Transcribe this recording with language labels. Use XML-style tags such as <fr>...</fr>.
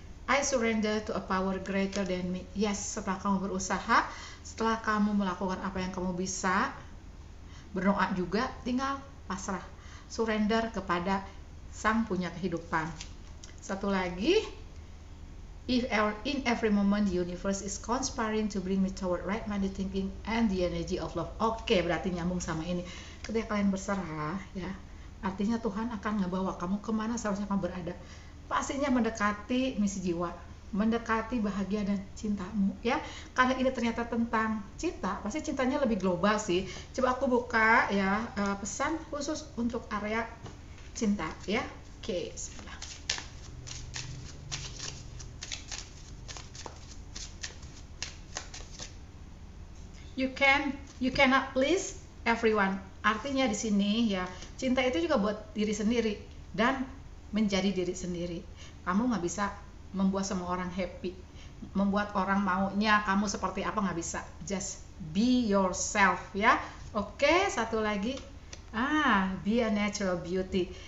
<en>I surrender to a power greater than me.</en> <id>Yes, setelah kamu berusaha, setelah kamu melakukan apa yang kamu bisa, berdoa juga, tinggal pasrah. Surrender kepada Sang Punya Kehidupan. Satu lagi,</id> <en>in every moment the universe is conspiring to bring me toward right minded thinking and the energy of love.</en> <id>Oke, berarti nyambung sama ini. Ketika kalian berserah ya, artinya Tuhan akan ngebawa kamu kemana seharusnya kamu berada. Pastinya mendekati misi jiwa, mendekati bahagia dan cintamu ya. Karena ini ternyata tentang cinta, pasti cintanya lebih global sih. Coba aku buka ya, pesan khusus untuk area cinta ya. Oke, sebelah.</id> <en>You cannot please everyone.</en> <id>Artinya di sini ya, cinta itu juga buat diri sendiri dan menjadi diri sendiri. Kamu nggak bisa membuat semua orang happy, membuat orang maunya kamu seperti apa, nggak bisa.</id> <en>Just be yourself ya.</en> <id>Oke, satu lagi,</id> <en>be a natural beauty.</en>